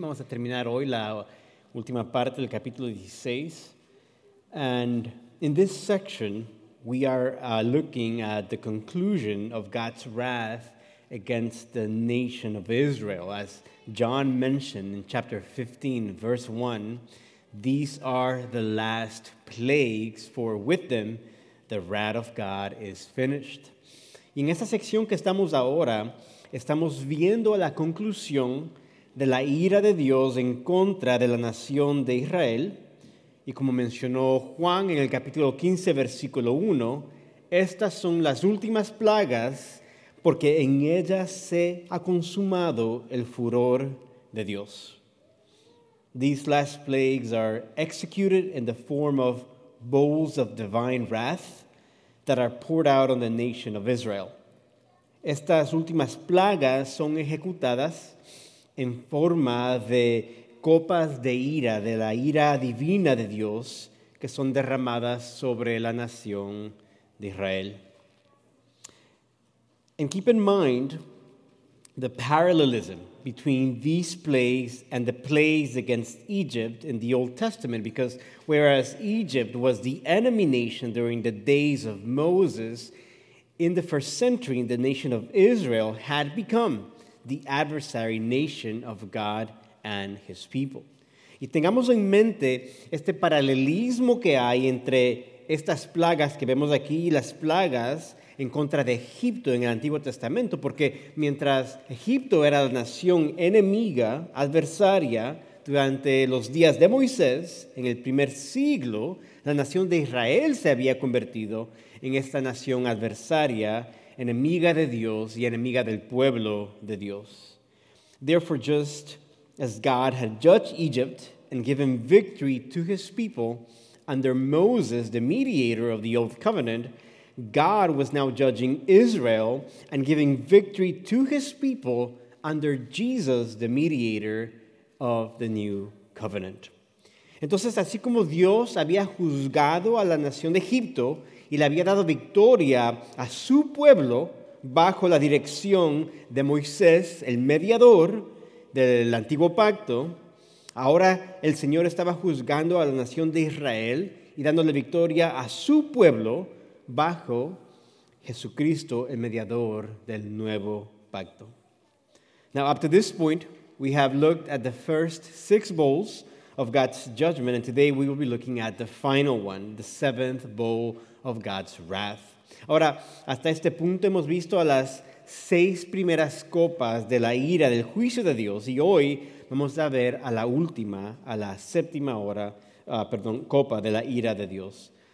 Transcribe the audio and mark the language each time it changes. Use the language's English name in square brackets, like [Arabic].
[Spanish] Vamos a terminar hoy la última parte del capítulo 16. [English] And in this section, we are looking at the conclusion of God's wrath against the nation of Israel. As John mentioned in chapter 15, verse 1, these are the last plagues, for with them the wrath of God is finished. [Spanish] Y en esta sección que estamos ahora, estamos viendo la conclusión de la ira de Dios en contra de la nación de Israel. Y como mencionó Juan en el capítulo 15, versículo 1, estas son las últimas plagas porque en ellas se ha consumado el furor de Dios. [English] These last plagues are executed in the form of bowls of divine wrath that are poured out on the nation of Israel. [Spanish] Estas últimas plagas son ejecutadas en forma de copas de ira, de la ira divina de Dios, que son derramadas sobre la nación de Israel. [English] And keep in mind the parallelism between these plagues and the plagues against Egypt in the Old Testament, because whereas Egypt was the enemy nation during the days of Moses, in the first century, the nation of Israel had become the adversary nation of God and his people. [Spanish] Y tengamos en mente este paralelismo que hay entre estas plagas que vemos aquí y las plagas en contra de Egipto en el Antiguo Testamento, porque mientras Egipto era la nación enemiga, adversaria, durante los días de Moisés, en el primer siglo, la nación de Israel se había convertido en esta nación adversaria, enemiga de Dios y enemiga del pueblo de Dios. [English] Therefore, just as God had judged Egypt and given victory to his people under Moses, the mediator of the old covenant, God was now judging Israel and giving victory to his people under Jesus, the mediator of the new covenant. [Spanish] Entonces, así como Dios había juzgado a la nación de Egipto y le había dado victoria a su pueblo bajo la dirección de Moisés, el mediador del antiguo pacto, ahora el Señor estaba juzgando a la nación de Israel y dándole victoria a su pueblo bajo Jesucristo, el mediador del nuevo pacto. [English] Now, up to this point, we have looked at the first six bowls of God's judgment, and today we will be looking at the final one, the seventh bowl of God's wrath. [Spanish] Ahora, hasta este punto hemos visto a las seis primeras copas de la ira del juicio de Dios, y hoy vamos a ver a la última, a la séptima hora, copa de la ira de Dios.